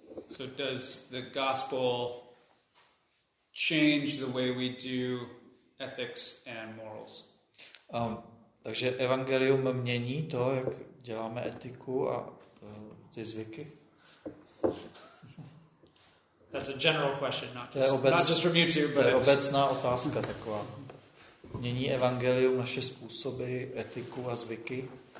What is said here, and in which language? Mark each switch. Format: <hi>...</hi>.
<en>So does the gospel change the way we do ethics and morals?</en> <cs>Takže evangelium mění to, jak děláme etiku a ty zvyky.</cs> <en>That's a general question, not just from you two, but</en> <cs>it's obecná otázka taková. Mění evangelium naše způsoby etiku a zvyky?</cs>